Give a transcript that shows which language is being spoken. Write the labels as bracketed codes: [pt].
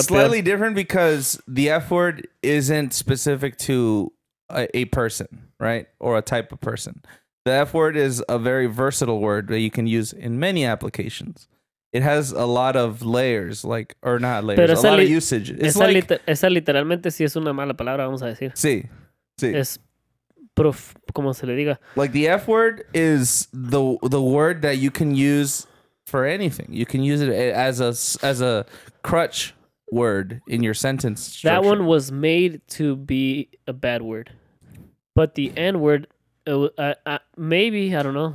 [en] It's slightly different because the F word isn't specific to a person, right? Or a type of person. The F word is a very versatile word that you can use in many applications. It has a lot of layers, like, or not layers, pero a lot of usage. It's [es] esa, [en] like, [es] esa literalmente sí es una mala palabra, vamos a decir. Sí, sí. Es prof, como se le diga. [en] Like, the F word is the word that you can use for anything. You can use it as a crutch word in your sentence structure. That one was made to be a bad word. But the N word... maybe, I don't know.